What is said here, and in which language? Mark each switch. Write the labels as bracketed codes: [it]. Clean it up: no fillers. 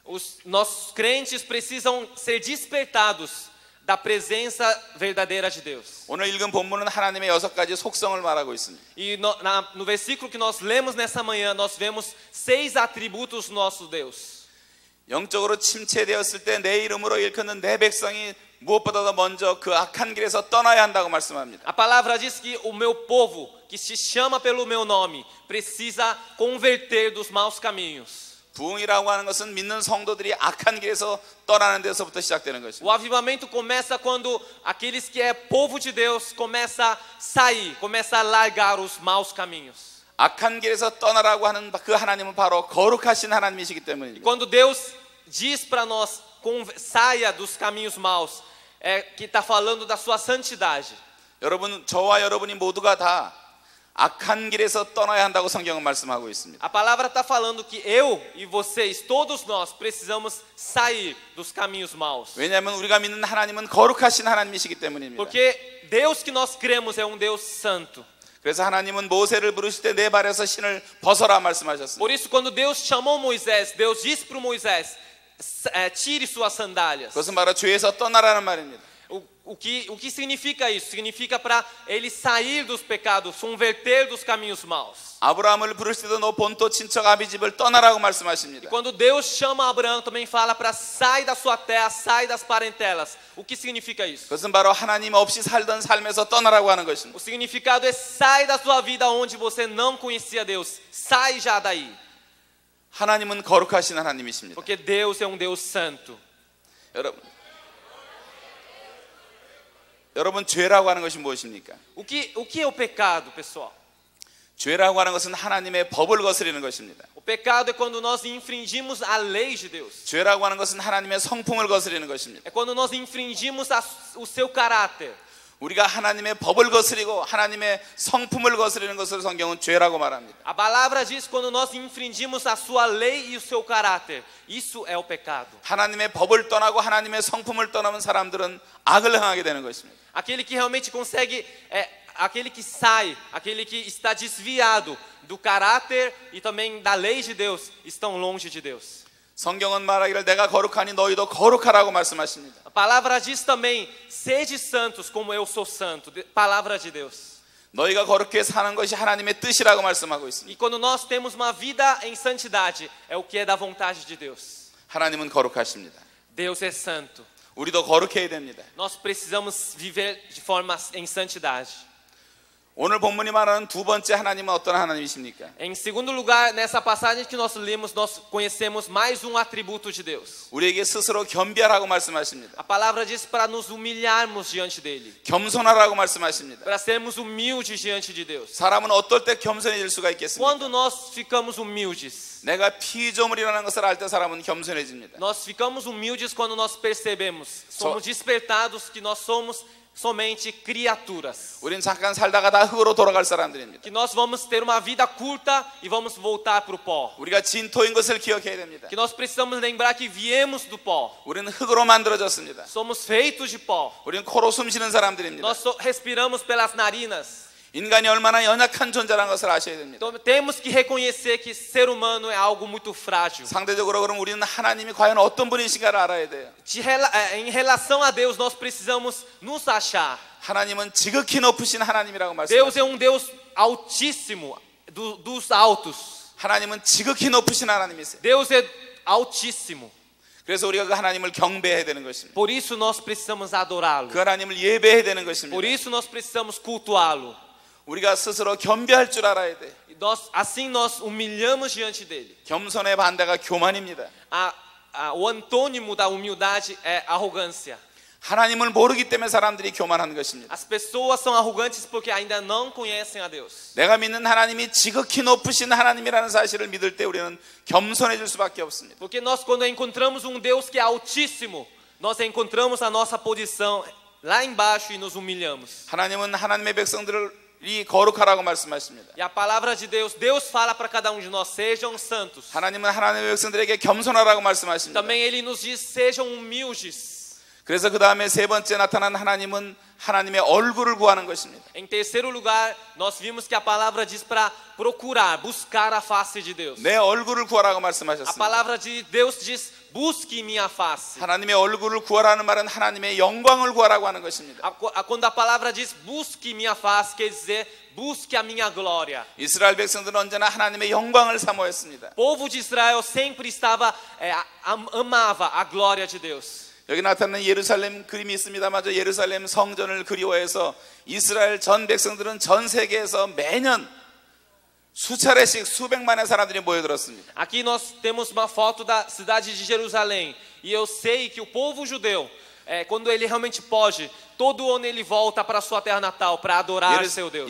[pt] Os nossos crentes precisam ser despertados da presença verdadeira de Deus. [ko] 오늘 읽은 본문은 하나님의 여섯 가지 속성을 말하고 있습니다. [pt] E no versículo que nós lemos nessa manhã, nós vemos seis atributos do nosso Deus. [ko] 영적으로 침체되었을 때 내 이름으로 일컫는 내 백성이 무엇보다도 먼저 그 악한 길에서 떠나야 한다고 말씀합니다. [pt] A palavra diz que o meu povo que se chama pelo meu nome precisa converter dos maus caminhos. [ko] 부흥이라고 하는 것은 믿는 성도들이 악한 길에서 떠나는 데서부터 시작되는 것입니다. [pt] O avivamento começa quando aqueles que é povo de Deus começa a sair, começa a largar os maus caminhos. [ko] 악한 길에서 떠나라고 하는 그 하나님은 바로 거룩하신 하나님이시기 때문입니다. [pt] E quando Deus diz para nós saia dos caminhos maus, é que está falando da sua santidade. [ko] 여러분, 저와 여러분이 모두가 다 악한 길에서 떠나야 한다고 성경은 말씀하고 있습니다. [pt] A palavra está falando que eu e vocês, todos nós, precisamos sair dos caminhos maus. [ko] 왜냐하면 우리가 믿는 하나님은 거룩하신 하나님이시기 때문입니다. [pt] Porque Deus que nós cremos é Deus santo. [ko] 그래서 하나님은 모세를 부르실 때 내 발에서 신을 벗어라 말씀하셨습니다. [pt] Por isso, quando Deus chamou Moisés, Deus disse para Moisés, tire suas sandálias. [ko] 그것은 바로 죄에서 떠나라는 말입니다. [pt] O que significa isso? Significa para ele sair dos pecados, converter dos caminhos maus. [ko] 아브라함을 부를 때도 너 본토 친척 아비 집을 떠나라고 말씀하십니다. [pt] E quando Deus chama Abraão, também fala para sair da sua terra, sair das parentelas. O que significa isso? [ko] 그것은 바로 하나님 없이 살던 삶에서 떠나라고 하는 것입니다. [pt] O significado é sai da sua vida onde você não conhecia Deus. Sai já daí. [ko] 하나님은 거룩하신 하나님이십니다. [pt] Porque Deus é Deus santo. [ko] 여러분 죄라고 하는 것이 무엇입니까? [pt] O que é o pecado, pessoal? [ko] 죄라고 하는 것은 하나님의 법을 거스르는 것입니다. [pt] O pecado é quando nós infringimos a lei de Deus. [ko] 죄라고 하는 것은 하나님의 성품을 거스르는 것입니다. [pt] É quando nós infringimos o seu caráter. [ko] 우리가 하나님의 법을 거스르고 하나님의 성품을 거스르는 것을 성경은 죄라고 말합니다. [pt] A palavra diz quando nós infringimos a sua lei e o seu caráter. Isso é o pecado. [ko] 하나님의 법을 떠나고 하나님의 성품을 떠나면 사람들은 악을 행하게 되는 것입니다. [pt] Aquele que realmente consegue é aquele que sai, aquele que está desviado do caráter e também da lei de Deus, estão longe de Deus. [ko] 성경은 말하기를 내가 거룩하니 너희도 거룩하라고 말씀하십니다. [pt] A palavra diz também, sede santos como eu sou santo. Palavra de Deus. [ko] 너희가 거룩해 사는 것이 하나님의 뜻이라고 말씀하고 있습니다. [pt] E quando nós temos uma vida em santidade, é o que é da vontade de Deus. [ko] 하나님은 거룩하십니다. [pt] Deus é santo. [ko] 우리도 거룩해야 됩니다. [pt] Nós precisamos viver de forma em santidade. [ko] 오늘 본문이 말하는 두 번째 하나님은 어떤 하나님이십니까? [pt] Em segundo lugar, nessa passagem que nós lemos, nós conhecemos mais um atributo de Deus. [ko] 우리에게 스스로 겸비하라고 말씀하십니다. [pt] A palavra diz para nos humilharmos diante dele. [ko] 겸손하라고 말씀하십니다. [pt] Para sermos humildes diante de Deus. [ko] 사람은 어떨 때 겸손해질 수가 있겠습니까? [pt] Quando nós ficamos humildes. [ko] 내가 피조물이라는 것을 알 때 사람은 겸손해집니다. [pt] Nós ficamos humildes quando nós percebemos, somos despertados que nós somos somente criaturas. [ko] 우리는 잠깐 살다가 다 흙으로 돌아갈 사람들입니다. [pt] Que nós vamos ter uma vida curta e vamos voltar para o pó. [ko] 우리가 진토인 것을 기억해야 됩니다. [pt] Que nós precisamos lembrar que viemos do pó. [ko] 우리는 흙으로 만들어졌습니다. [pt] Somos feitos de pó. [ko] 우리는 코로 숨쉬는 사람들입니다. [pt] Nós respiramos pelas narinas. [ko] 인간이 얼마나 연약한 존재라는 것을 아셔야 됩니다. [pt] Então, temos que reconhecer que ser humano é algo muito frágil. [ko] 상대적으로 그럼 우리는 하나님이 과연 어떤 분이신가를 알아야 돼요. [pt] Em relação a Deus, nós precisamos nos achar. [ko] 하나님은 지극히 높으신 하나님이라고 말씀하십니다. [pt] Deus é um Deus altíssimo, dos altos. [ko] 하나님은 지극히 높으신 하나님이세요. [pt] Deus é altíssimo. [ko] 그래서 우리가 그 하나님을 경배해야 되는 것입니다. [pt] Por isso nós precisamos adorá-lo. [ko] 그 하나님을 예배해야 되는 것입니다. [pt] Por isso nós precisamos cultuá-lo. [ko] 우리가 스스로 겸비할 줄 알아야 돼. [pt] Nós, assim nós humilhamos diante dele. [ko] 겸손의 반대가 교만입니다. [pt] O antônimo da humildade é arrogância. [ko] 하나님을 모르기 때문에 사람들이 교만한 것입니다. [pt] As pessoas são arrogantes porque ainda não conhecem a Deus. [ko] 내가 믿는 하나님이 지극히 높으신 하나님이라는 사실을 믿을 때 우리는 겸손해질 수밖에 없습니다. [pt] Porque nós quando encontramos Deus que é altíssimo, nós encontramos a nossa posição lá embaixo e nos humilhamos. [ko] 하나님은 하나님의 백성들을 이 거룩하라고 말씀하십니다. [pt] E a palavra de Deus, Deus fala para cada de nós, sejam santos. [ko] 하나님은 하나님의 백성들에게 겸손하라고 말씀하십니다. [pt] Também ele nos diz, sejam humildes. [ko] 그래서 그 다음에 세 번째 나타난 하나님은 하나님의 얼굴을 구하는 것입니다. [pt] Em terceiro lugar, nós vimos que a palavra diz para procurar, buscar a face de Deus. [ko] 내 얼굴을 구하라고 말씀하셨습니다. [pt] A palavra de Deus diz, busque minha face. [ko] 하나님의 얼굴을 구하라는 말은 하나님의 영광을 구하라고 하는 것입니다. [pt] Quando a palavra diz, busque minha face, quer dizer, busque a minha glória. [ko] 이스라엘 백성들은 언제나 하나님의 영광을 사모했습니다. [pt] O povo de Israel sempre estava, amava a glória de Deus. [ko] 여기 나타나는 예루살렘 그림이 있습니다마저 예루살렘 성전을 그리워해서 이스라엘 전 백성들은 전 세계에서 매년 수차례씩 수백만의 사람들이 모여들었습니다. [pt] Aqui nós temos uma foto da cidade de Jerusalém e eu sei que o povo judeu quando ele realmente pode, todo ano ele volta para sua terra natal para adorar seu Deus.